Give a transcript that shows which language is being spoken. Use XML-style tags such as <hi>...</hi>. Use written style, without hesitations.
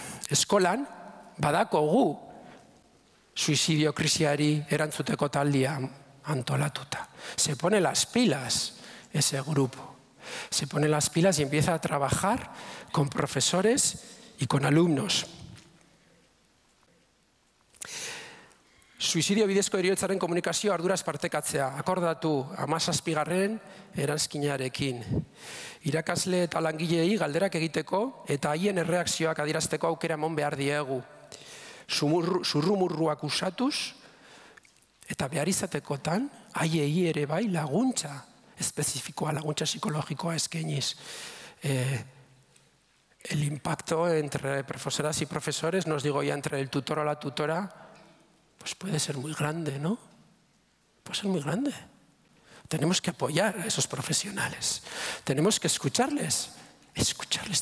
<eu>Eskolan, badakogu suizidio krisiari erantzuteko taldia antolatuta.</eu> <es>Se pone las pilas ese grupo. Se pone las pilas y empieza a trabajar con profesores y con alumnos.</es> <eu>Suizidio bidezko heriotzaren komunikazio arduraz partekatzea. Akordatu 17. eranskinarekin. Irakasle eta langileei galderak egiteko eta haien erreakzioak adierazteko aukera eman behar diegu. Zurrumurruak usatuz eta behar izatekotan haiei ere bai laguntza espezifikoa, laguntza psikologikoa eskainiz.</eu> <es>El impacto entre profesoras y profesores, no os digo ya entre el tutor o la tutora, pues puede ser muy grande, ¿no? Puede ser muy grande. Tenemos que apoyar a esos profesionales. Tenemos que escucharles. Escucharles.</es>